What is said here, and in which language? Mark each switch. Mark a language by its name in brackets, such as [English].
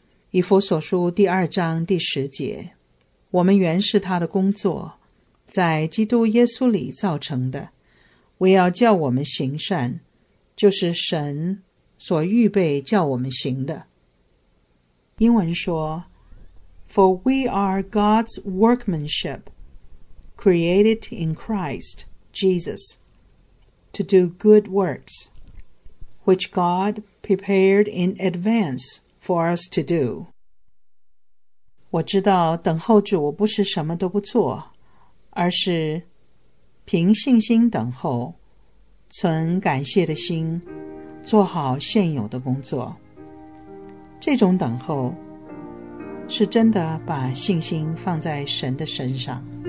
[Chinese] 以弗所书第二章第十节，我们原是他的工作，在基督耶稣里造成的，为要叫我们行善，就是神所预备叫我们行的。英文说， [English] For we are God's workmanship, created in Christ Jesus, to do good works, which God prepared in advance for us to do. [Chinese] 我知道等候主不是什么都不做，而是凭信心等候，存感谢的心，做好现有的工作。这种等候是真的把信心放在神的身上。